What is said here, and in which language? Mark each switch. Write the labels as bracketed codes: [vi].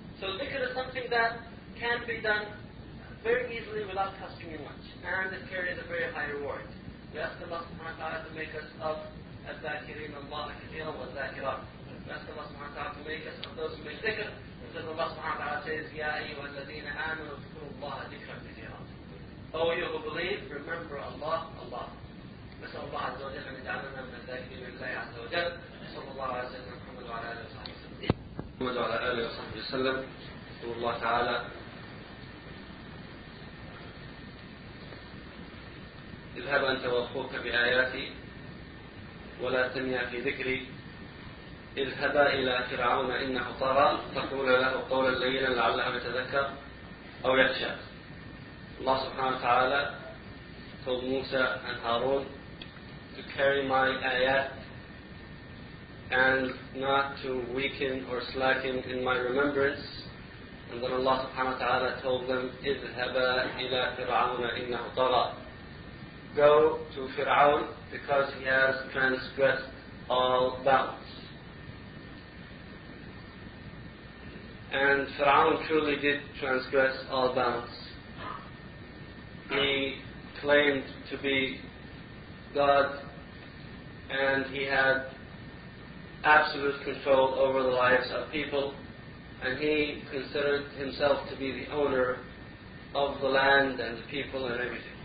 [en] So dhikr is something that can be done very easily without costing you much. And it carries a very high reward. We ask Allah subhanahu wa ta'ala to make us of al-dhakirin al-ba'akirin al-dhakirat. [ar] نسأل الله سبحانه وتعالى أن يجعلنا من الذين يذكرون الله كثيرا. الله سبحانه وتعالى says يا أيها الذين آمنوا اذكروا الله ذكرا كثيرا. [en] Oh you who believe, remember Allah, Allah. [ar] نسأل الله عز وجل أن يجعلنا من الذاكرين لله عز وجل. صلى الله عليه وسلم محمد وعلى آله وصحبه وسلم. محمد وعلى آله وصحبه وسلم. أسأل الله تعالى اذهب أنت وأخوك بآياتي ولا تنيا في ذكري اذهبا إلى فرعون إنه طغى فقولا له قولا لينا لعله يتذكر أو يخشى. [en] الله سبحانه وتعالى told موسى and هارون to carry my ayat and not to weaken or slacken in my remembrance. And then Allah سبحانه وتعالى told them [ar] اذهبا إلى فرعون إنه طغى. [en] Go to فرعون because he has transgressed all bounds. And Pharaoh truly did transgress all bounds. He claimed to be God, and he had absolute control over the lives of people, and he considered himself to be the owner of the land and the people and everything.